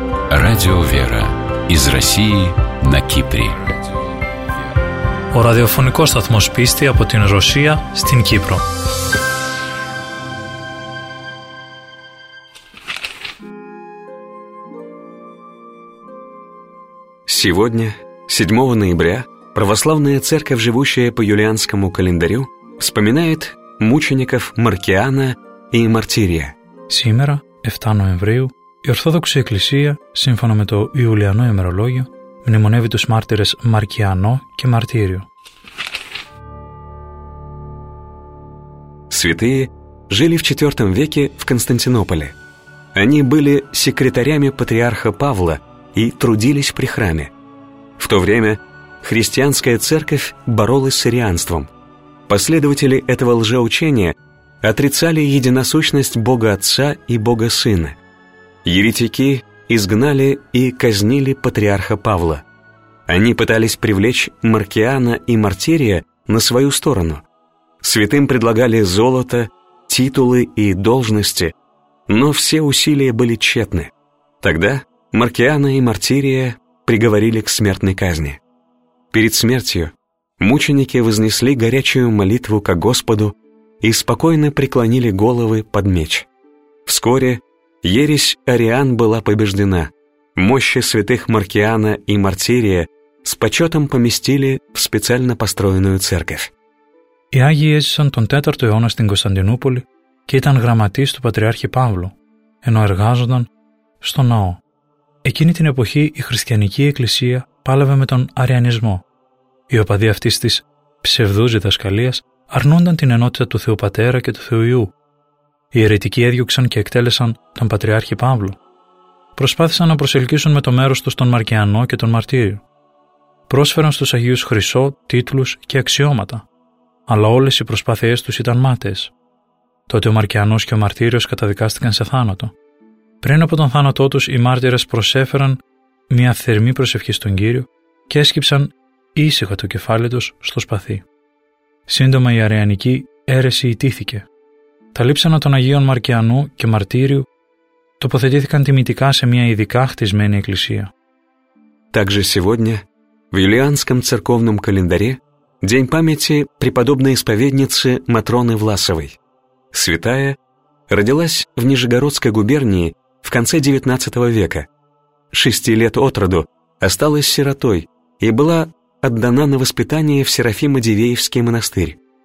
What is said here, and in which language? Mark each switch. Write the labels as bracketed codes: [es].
[ru] Радио «Вера» из России на Кипре. [el] Ο ραδιοφωνικός σταθμός πίστη από την Ρωσία στην Κύπρο. [ru] Сегодня, 7 ноября, православная церковь, живущая по юлианскому календарю, вспоминает мучеников Маркиана и Мартирия. Сегодня, 7 ноября, [el] η Ορθόδοξη Εκκλησία, σύμφωνα με το Ιουλιανό ημερολόγιο, μνημονεύει τους μάρτυρες Μαρκιανό και Μαρτύριο. [ru] Святые жили в IV веке в Константинополе. Они были секретарями патриарха Павла и трудились при храме. В то время христианская церковь боролась с арианством. Последователи этого лжеучения отрицали единосущность Бога Отца и Бога Сына. Еретики изгнали и казнили патриарха Павла. Они пытались привлечь Маркиана и Мартирия на свою сторону. Святым предлагали золото, титулы и должности, но все усилия были тщетны. Тогда Маркиана и Мартирия приговорили к смертной казни. Перед смертью мученики вознесли горячую молитву ко Господу и спокойно преклонили головы под меч. Вскоре ересь ариан была побеждена. Мощи святых Маркиана и Мартирия с почетом поместили в специально построенную церковь. [el] Οι Άγιοι έζησαν τον 4ο αιώνα στην Κωνσταντινούπολη και ήταν γραμματείς του Πατριάρχη Παύλου, ενώ εργάζονταν στο ναό. Εκείνη την εποχή η χριστιανική εκκλησία πάλευε με τον αριανισμό. Οι οπαδοί αυτής της ψευδούς διδασκαλίας αρνούνταν την ενότητα του Θεού Πατέρα και του Θεού Υιού. Οι αιρετικοί έδιωξαν και εκτέλεσαν τον Πατριάρχη Παύλο. Προσπάθησαν να προσελκύσουν με το μέρος τους τον Μαρκιανό και τον Μαρτύριο. Πρόσφεραν στους Αγίους χρυσό, τίτλους και αξιώματα. Αλλά όλες οι προσπάθειές τους ήταν μάταιες. Τότε ο Μαρκιανός και ο Μαρτύριος καταδικάστηκαν σε θάνατο. Πριν από τον θάνατό τους, οι μάρτυρες προσέφεραν μια θερμή προσευχή στον Κύριο και έσκυψαν ήσυχα το κεφάλι τους στο σπαθί. Σύντομα η αριανική αίρεση ιτήθηκε. Τα λείψανα των Αγίων Μαρκιανού και Μαρτύριου τοποθετήθηκαν τιμητικά σε μια ειδικά χτισμένη εκκλησία. [ru] Также сегодня в юлианском церковном календаре День памяти преподобной исповедницы Матроны Власовой. Святая родилась в Нижегородской губернии в конце XIX века. 6 лет от роду осталась сиротой и была отдана на воспитание в Серафимо-Дивеевский монастырь.